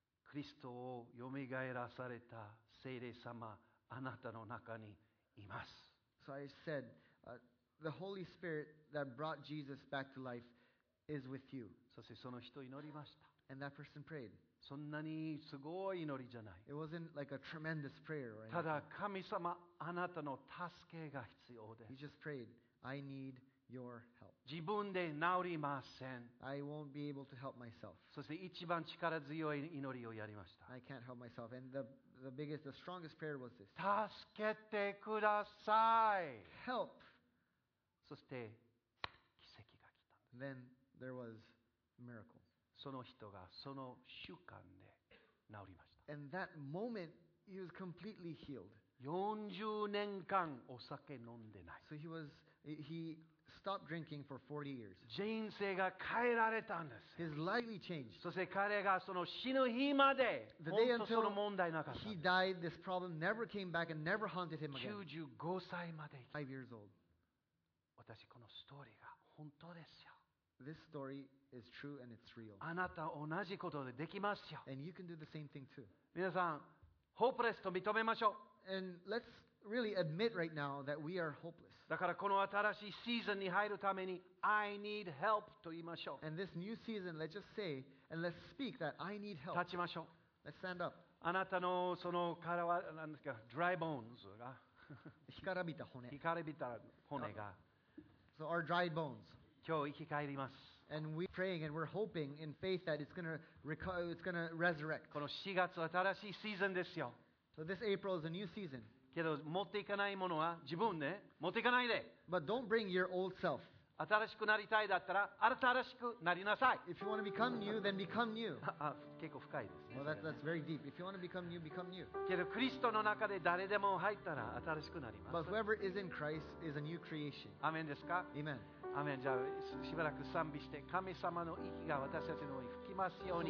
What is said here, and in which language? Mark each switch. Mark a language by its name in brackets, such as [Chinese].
[Japanese] キリストをよみがえらされた聖霊様、あなたの中にいます。 [English] So I said, the Holy Spirit that brought Jesus back to life is with you. [Japanese] そしてその人祈りました。 [English] And that person prayed. [Japanese] そんなにすごい祈りじゃない。 [English] It wasn't like a tremendous prayer, right? [Japanese] ただ神様、あなたの助けが必要です。 [English] He just prayed, I need your help. [Japanese] 自分で治りません。 [English] I won't be able to help myself. [Japanese] そして一番力強い祈りをやりました。 [English] I can't help myself. And the biggest, the strongest prayer was this. [Japanese] 助けてください。 [English] Help. [Japanese] そして奇跡が来た。 [English] Then there was miracle. [Japanese] その人がその瞬間で治りました。 [English] And that moment, he was completely healed. [Japanese] 40年間お酒飲んでない。 [English] So he stopped drinking for 40 years. [Japanese] 人生が変えられたんです。 [English] His life changed. [Japanese] そして彼がその死ぬ日まで、本当その問題なかった。 [English] He died, this problem never came back and never haunted him again. [Japanese] 95歳まで。 [English] 5 years old. [Japanese] 私このストーリーが本当ですよ。 [English] This story is true and it's real. [Japanese] あなた同じことでできますよ。 [English] And you can do the same thing too. [Japanese] 皆さん、hopeless と認めましょう。 [English] And let's really admit right now that we are hopeless. [Japanese] だからこの新しいシーズンに入るために [English] I need help [Japanese] と言いましょう。 [English] And this new season, let's just say and let's speak that I need help. [Japanese] 立ちましょう。 [English] Let's stand up. [Japanese] あなたのそのからは何ですか、 [English] dry bones [Japanese] が。干からびた骨。干からびた骨が。 [English] So our dry bones. [Japanese] 今日生き返ります。 [English] And we're praying and we're hoping in faith that it's gonna resurrect. [Japanese] この4月新しいシーズンですよ。 [English] So this April is a new season. [Japanese] けど持っていかないものは自分ね、持っていかないで。 [English] But don't bring your old self. [Japanese] 新しくなりたいだったら新しくなりなさい。 [English] If you want to become new, then become new. [Japanese] 結構深いですね。 [English] Well, that's very deep. If you want to become new, become new. [Japanese] けどクリストの中で誰でも入ったら新しくなります。 [English] But whoever is in Christ is a new creation. [Japanese] アメンですか？ [English] Amen. [Japanese] アメン。じゃあしばらく賛美して神様の息が私たちの方に吹きますように。